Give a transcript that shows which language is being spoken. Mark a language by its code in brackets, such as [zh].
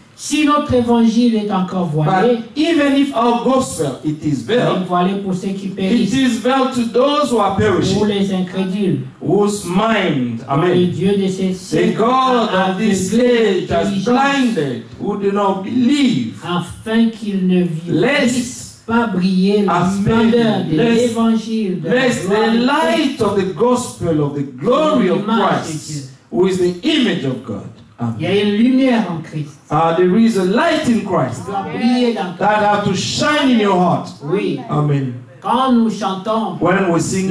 [fr] Si notre évangile est encore voilé, [en] but even if our gospel it is veiled, [fr] voilé pour ceux qui périssent, [en] it is veiled to those who are perishing, [fr] pour les incrédules, [en] whose mind, amen, [fr] le Dieu de ces siècles, [en] the God of this age has blinded, who do not believe, [fr] afin qu'ils ne vivent pas briller la splendeur de [en] lest, [fr] l'évangile, de [en] lest [fr] la [en] the light of the gospel of the glory of Christ, [fr] Dieu, [en] who is the image of God, [fr] Il y a une lumière en Christ. [en] There is a light in Christ. That has to shine in your heart. [fr] Oui. [en] Amen. [fr] Quand nous chantons, [en] when we sing,